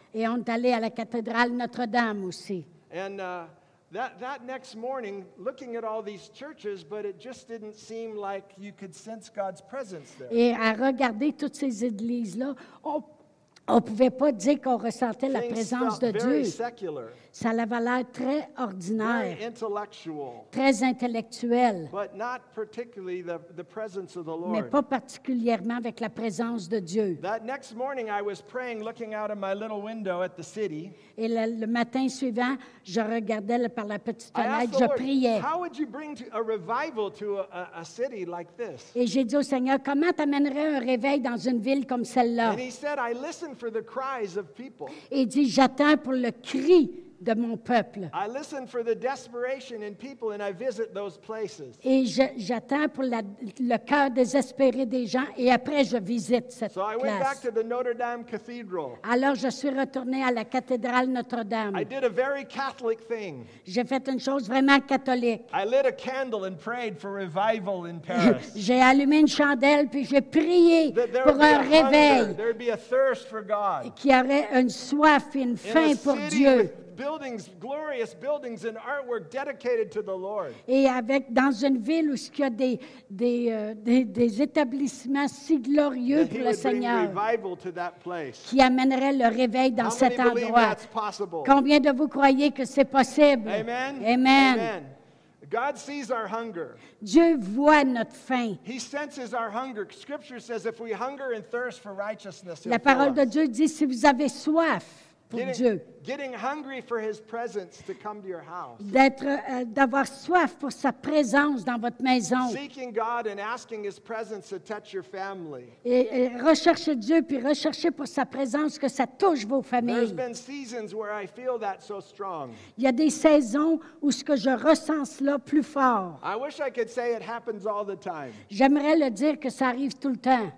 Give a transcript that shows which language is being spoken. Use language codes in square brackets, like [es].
[fr] Et on est allé à la cathédrale Notre Dame aussi. [en] And That next morning, looking at all these churches, but it just didn't seem like you could sense God's presence there. [fr] Et à regarder toutes ces églises-là, on pouvait pas dire qu'on ressentait [en] things [fr] la présence de [en] very [fr] Dieu. [en] Secular, [fr] ça avait l'air très ordinaire, [en] very intellectual, [fr] très intellectuel, [en] but not particularly the presence of the Lord. [fr] Mais pas particulièrement avec la présence de Dieu. [en] That next morning, I was praying, looking out of my little window at the city. [fr] Et le matin suivant, je regardais par la petite fenêtre, je priais. [en] How would you bring a revival to a city like this? [fr] Et j'ai dit au Seigneur, comment t'amènerais un réveil dans une ville comme celle-là? [en] And he said, I listen for the cries of people. [fr] Et il dit, j'attends pour le cri de mon peuple. [en] I listen for the desperation in people and I visit those places. [fr] Et j'attends pour le cœur désespéré des gens et après je visite cette [en] place. So I went back to the Notre Dame Cathedral. [fr] Alors je suis retourné à la cathédrale Notre-Dame. [en] I did a very Catholic thing. [fr] J'ai fait une chose vraiment catholique. [en] I lit a candle and prayed for revival in Paris. [fr] J'ai allumé une chandelle puis j'ai prié pour un réveil. [en] There would be a thirst for God. [fr] Qu'il y aurait une soif et une faim pour Dieu. [en] Buildings, glorious buildings and artwork dedicated to the Lord. [fr] Et avec dans une ville où il y a des établissements si glorieux pour le Seigneur. [en] Revival to that place. [fr] Qui amènerait le réveil dans [en] How [fr] cet endroit. [en] That's possible? [fr] Combien de vous croyez que c'est possible? [en] Amen. Amen. Amen. God sees our hunger. [fr] Dieu voit notre faim. [en] He senses our hunger. Scripture says if we hunger and thirst for righteousness, [fr] La parole de Dieu dit si vous avez soif pour Dieu. [en] Getting hungry for his presence to come to your house. [fr] D'avoir soif pour sa présence dans votre maison. [en] Seeking God and asking his presence to touch your family. [fr] Et rechercher Dieu puis rechercher pour sa présence que ça touche vos familles. [en] There's been seasons where I feel that so strong. [fr] Il y a des saisons où ce que je ressens cela plus fort. [en] I wish I could say it happens all the time. [fr] J'aimerais le dire que ça arrive tout le temps.